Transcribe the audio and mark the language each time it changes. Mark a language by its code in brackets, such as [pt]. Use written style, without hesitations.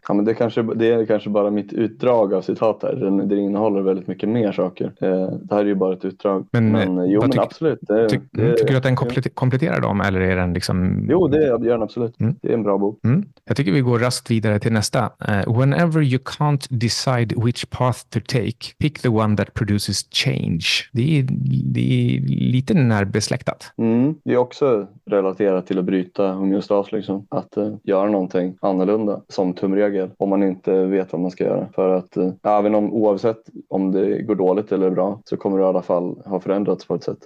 [sv] Ja, men det är kanske bara mitt utdrag av citat här. Det innehåller väldigt mycket mer saker. Det här är ju bara ett utdrag. Men absolut. Tycker du att den kompletterar dem, eller är den liksom... Jo, det gör den absolut. Mm. Det är en bra bok. Mm. Jag tycker vi går raskt vidare till nästa. [en] Whenever you can't decide which path to take, pick the one that produces change. [sv] Det är lite närbesläktat. Mm. Det är också relaterat till att bryta homeostas, liksom. Att göra någonting annorlunda som tumregel, om man inte vet vad man ska göra. För för att även om oavsett om det går dåligt eller bra så kommer det i alla fall ha förändrats på ett sätt.